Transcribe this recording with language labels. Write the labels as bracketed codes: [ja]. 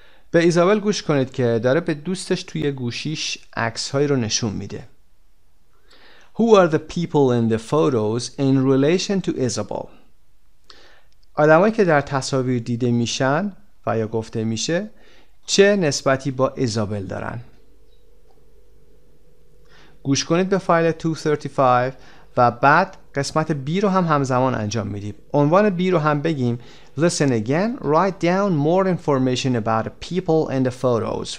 [fa] به ایزابل گوش کنید که داره به دوستش توی گوشیش عکس‌های رو نشون میده. [en] Who are the people in the photos in relation to Isabel? [fa] آدمایی که در تصاویر دیده میشن و یا گفته میشه چه نسبتی با ایزابل دارن؟ گوش کنید به فایل 235 و بعد قسمت B رو هم همزمان انجام میدیم. عنوان B رو هم بگیم. [en] Listen again, write down more information about people in the photos.